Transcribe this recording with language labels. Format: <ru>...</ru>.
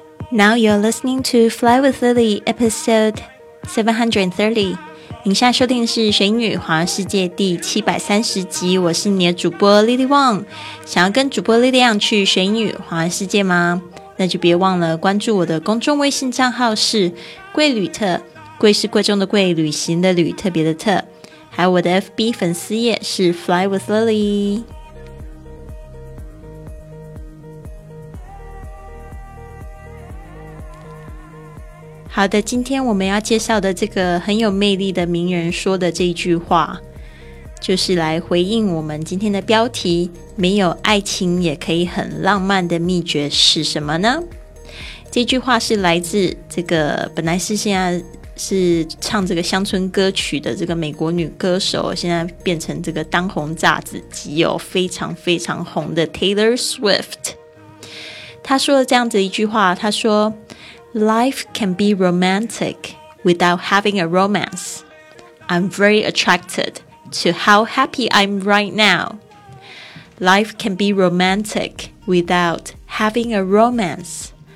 <en>Now you're listening to Fly with Lily, episode 730.</en> <zh>您现在收听的是学英语环游世界第730集，我是你的主播 Lily Wang。想要跟主播 Lily Wang 去学英语环游世界吗？那就别忘了关注我的公众微信账号，是贵旅特，贵是贵重的贵，旅行的旅，特别的特。还有我的 FB 粉丝页是 Fly with Lily。好的，今天我们要介绍的这个很有魅力的名人说的这一句话，就是来回应我们今天的标题，没有爱情也可以很浪漫的秘诀是什么呢？这句话是来自这个本来是现在是唱这个乡村歌曲的这个美国女歌手，现在变成这个当红炸子鸡哦，非常非常红的 Taylor Swift。她说了这样子一句话，她说</zh> <en>Life can be romantic without having a romance. I'm very attracted to how happy I'm right now. Life can be romantic without having a romance.</en>